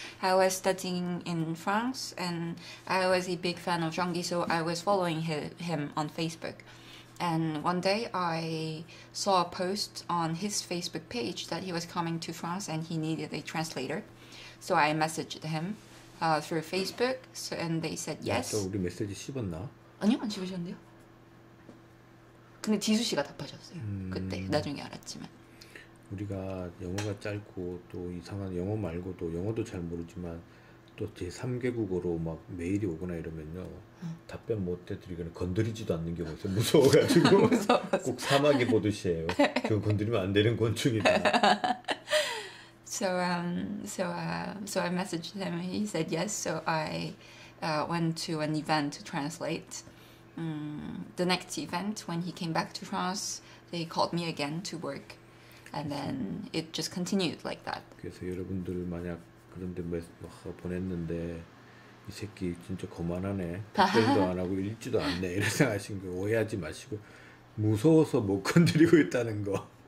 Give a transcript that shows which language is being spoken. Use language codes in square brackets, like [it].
[en] I was studying in France and I was a big fan of Zhang Di, so I was following him on Facebook. And one day I saw a post on his Facebook page that he was coming to France and he needed a translator. So I messaged him through Facebook and they said yes. [ko] 야, 저 우리 메시지 씹었나? 아니요, 안 씹으셨는데요. 근데 지수 씨가 답하셨어요. 그때 나중에 알았지만 우리가 영어가 짧고 또 이상한 영어 말고도 영어도 잘 모르지만 또 제3개국어로 막 메일이 오거나 이러면요 답변 못 해드리거나 건드리지도 않는 경우 있어요. 무서워가지고 꼭 사마귀 보듯이 해요. 그거 건드리면 안 되는 곤충이다. [en] So I messaged him. He said yes. So I went to an event to translate. The next event, when he came back to France, they called me again to work, and then it just continued like that. [ko] 그래서 여러분들 만약 그런데 메시지 보냈는데 이 새끼 진짜 거만하네, 답변도 안 하고 읽지도 않네 이런 생각하신 거 오해하지 마시고 무서워서 못 건드리고 있다는 거.